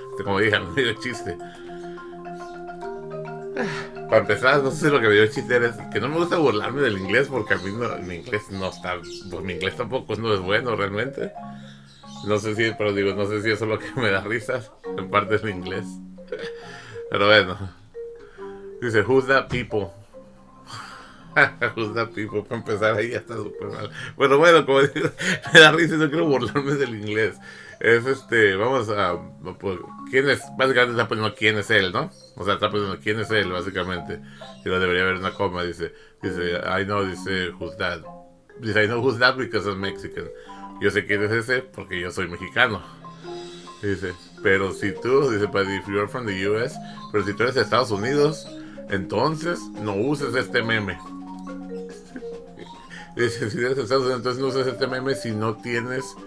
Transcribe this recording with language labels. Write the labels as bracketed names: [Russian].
[Spanish] Como dije, me dio chiste. Para empezar, no sé si lo que me dio chiste es que no me gusta burlarme del inglés porque a mí no, mi inglés no está. Pues mi inglés tampoco no es bueno realmente. No sé si, pero digo, no sé si eso es lo que me da risas. En parte es mi inglés. Pero bueno, dice, [English] who's that people? Who's that people? [Spanish] Para empezar ahí ya está súper mal. Bueno, como digo, me da risa y no quiero burlarme del inglés. Vamos a. Pues, ¿quién es? Básicamente está poniendo quién es él, ¿no? O sea, está poniendo quién es él, básicamente. Y lo debería haber una coma, dice. [English] Dice, I know, dice, who's that? Dice, I know who's that because I'm Mexican. [Spanish] Yo sé quién es ese porque yo soy mexicano. Dice. Pero si tú, dice, [English] but if you're from the US, [Spanish] pero si tú eres de Estados Unidos, entonces no uses este meme. Dice, si eres de Estados Unidos, entonces no uses este meme si no tienes.